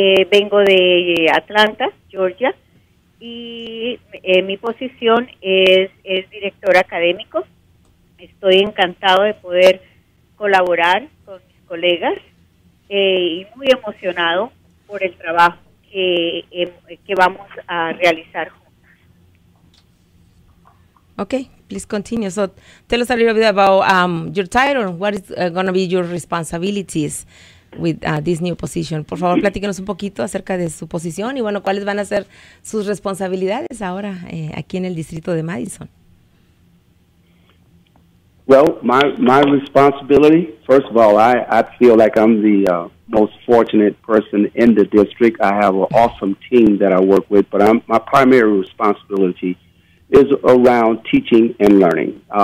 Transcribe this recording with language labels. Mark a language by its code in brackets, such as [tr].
[es] Vengo de Atlanta, Georgia, y mi posición es director académico. Estoy encantado de poder colaborar con mis colegas y muy emocionado por el trabajo que vamos a realizar juntos. [en] Okay. Please continue. So tell us a little bit about your title. What is going to be your responsibilities with this new position? [es] Por favor, platíquenos un poquito acerca de su posición y, bueno, ¿cuáles van a ser sus responsabilidades ahora aquí en el Distrito de Madison? [en] Well, my responsibility, first of all, I feel like I'm the most fortunate person in the district. I have an awesome team that I work with, but my primary responsibility is around teaching and learning.